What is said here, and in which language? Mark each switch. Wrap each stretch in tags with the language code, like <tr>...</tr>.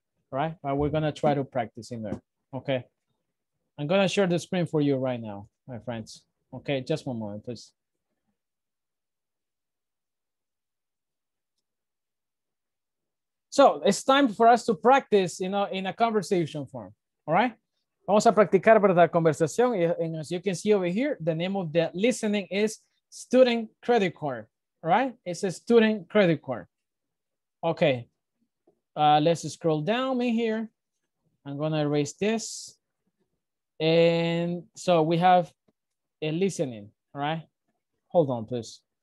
<en>Right, but we're gonna try to practice in there. Okay, I'm gonna share the screen for you right now, my friends. Okay, just one moment, please. So it's time for us to practice, you know, in a conversation form.</en> <es>All right, vamos a practicar para la conversación.</es> <en>And as you can see over here, the name of the listening is student credit card. All right, it's a student credit card. Okay. Let's scroll down in here. I'm gonna erase this. And so we have a listening, all right? Hold on, please.</en>